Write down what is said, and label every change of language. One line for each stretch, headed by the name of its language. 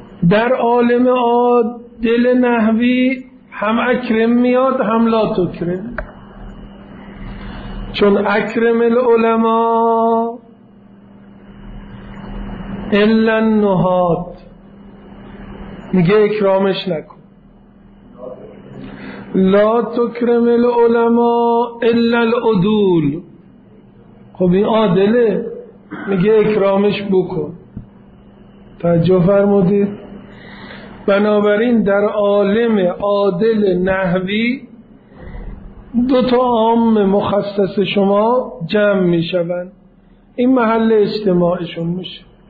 Persian: در عالم عادل نحوی هم اکرم میاد هم لا تکرم، چون
Arabic: اکرم العلماء الا النهات،
Persian: میگه اکرامش نکن،
Arabic: لا تکرم العلماء الا العدول.
Persian: خب این عادله، میگه اکرامش بکن. توجه فرمودید؟ بنابراین در عالم عادل نحوی دو تا عام مخصص شما جمع میشوند، این محل اجتماعشون میشه.